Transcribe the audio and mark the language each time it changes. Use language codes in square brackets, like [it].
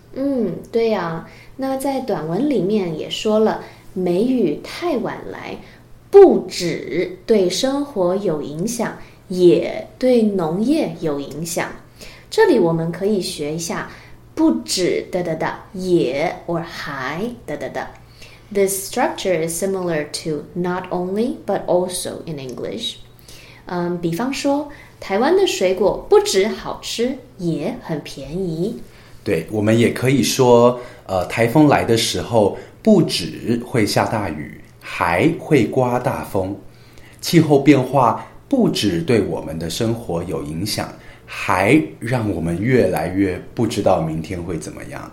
[zh] 嗯，对呀、啊、那在短文里面也说了，梅雨太晚来不止对生活有影响，也对农业有影响。这里我们可以学一下不止的的的也 or 还的的的。 [en] This structure is similar to not only but also in English. [zh] 比方说台湾的水果不止好吃也很便宜。对，我们也可以说台风来的时候不止会下大雨，还会刮大风。气候变化不止对我们的生活有影响，还让我们越来越不知道明天会怎么样。